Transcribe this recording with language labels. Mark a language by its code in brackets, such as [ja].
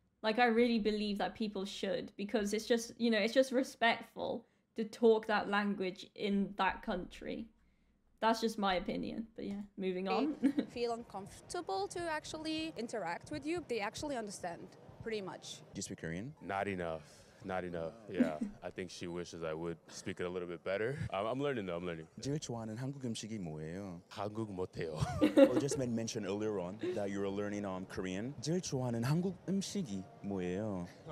[en] Like, I really believe that people should, because it's just, you know, it's just respectful to talk that language in that country. That's just my opinion, but yeah, moving on. They feel uncomfortable to actually interact with you. They actually understand, pretty much. Do you speak Korean? Not enough, yeah. I think she wishes I would speak it a little bit better. I'm learning. [ko] 제일 좋아하는 한국 음식이 뭐예요? 한국 못해요. [en] Well, just mentioned earlier on that you were learning Korean. [ko] 제일 좋아하는 한국 음식이 뭐예요?